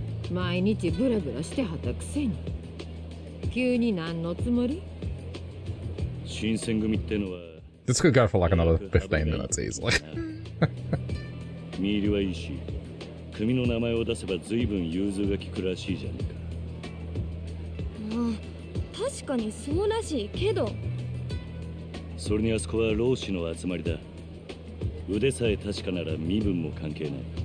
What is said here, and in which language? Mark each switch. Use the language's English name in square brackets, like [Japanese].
[Japanese] 毎日ブラブラしてはたくせに。急に何のつもり？新選組ってのは。 [English] This could go for like another 15 minutes easily. [Japanese] 見入りはいいし、組の名前を出せば随分融通が効くらしいじゃねえか。まあ、確かにそうらしいけど。それにあそこは老子の集まりだ。腕さえ確かなら身分も関係ない。